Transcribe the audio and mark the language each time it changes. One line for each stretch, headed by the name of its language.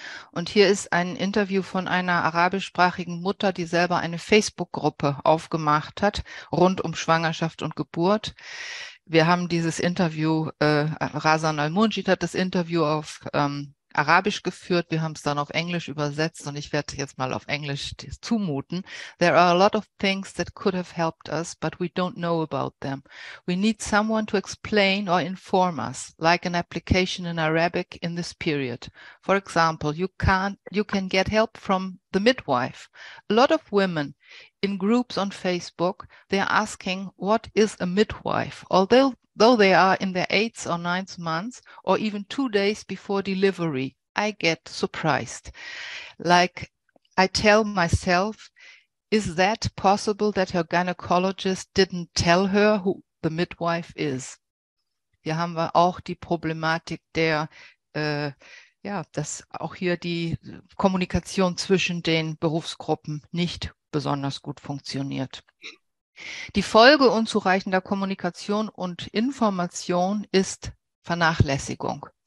German: Und hier ist ein Interview von einer arabischsprachigen Mutter, die selber eine Facebook-Gruppe aufgemacht hat, rund um Schwangerschaft und Geburt. Wir haben dieses Interview, Razan Al-Munjid hat das Interview auf Arabisch geführt. Wir haben es dann auf Englisch übersetzt und ich werde jetzt mal auf Englisch das zumuten.
English: There are a lot of things that could have helped us, but we don't know about them. We need someone to explain or inform us, like an application in Arabic in this period. For example, you can get help from the midwife. A lot of women in groups on Facebook, they are asking, what is a midwife? Although they are in their 8th or 9th month or even 2 days before delivery, I get surprised. Like I tell myself, is that possible that her gynecologist didn't tell her who the midwife is?
German: Hier haben wir auch die Problematik der dass auch hier die Kommunikation zwischen den Berufsgruppen nicht besonders gut funktioniert. Die Folge unzureichender Kommunikation und Information ist Vernachlässigung.